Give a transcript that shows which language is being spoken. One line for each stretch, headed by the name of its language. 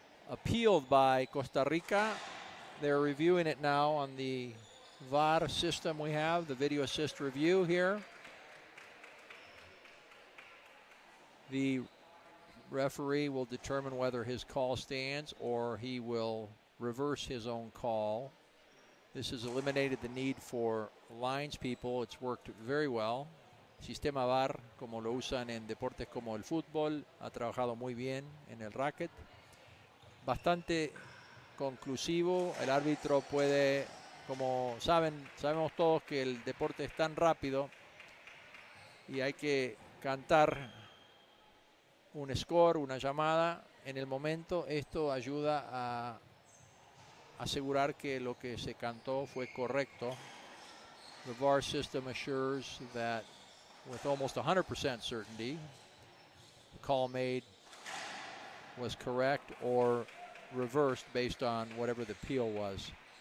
English: Appealed by Costa Rica. They're reviewing it now on the VAR system we have, the video assist review here. The referee will determine whether his call stands or he will reverse his own call. This has eliminated the need for lines people. It's worked very well.
Spanish: Sistema VAR, como lo usan en deportes como el fútbol, ha trabajado muy bien en el racket. Bastante conclusivo, el árbitro puede, como saben, sabemos todos que el deporte es tan rápido y hay que cantar un score, una llamada en el momento. Esto ayuda a asegurar que lo que se cantó fue correcto.
English: The VAR system assures that with almost 100% certainty, the call made was correct or reversed based on whatever the appeal was.